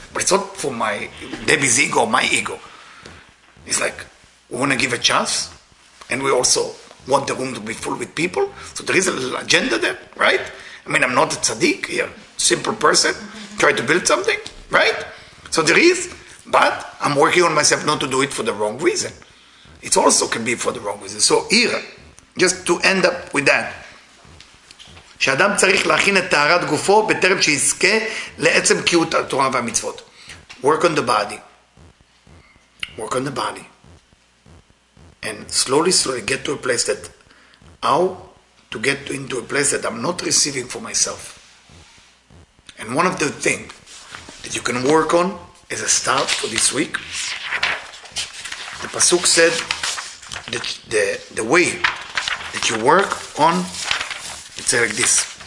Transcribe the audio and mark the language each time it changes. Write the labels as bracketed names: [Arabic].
[English] But it's not for my Debbie's ego, my ego. It's like, we want to give a chance, and we also want the room to be full with people. So there is a little agenda there, right? I mean, I'm not a tzaddik here. Simple person. Try to build something, right? So there is, but I'm working on myself not to do it for the wrong reason. It also can be for the wrong reason. [Hebrew] So here, just to end up with that, שאדם צריך להכין את תהרת גופו בטרם שיזכה לעצם קיות התורה והמצוות. [English] Work on the body. Work on the body. And slowly, slowly get to a place that how to get into a place that I'm not receiving for myself. And one of the things that you can work on as a start for this week, the Pasuk said that the way that you work on, it's like this.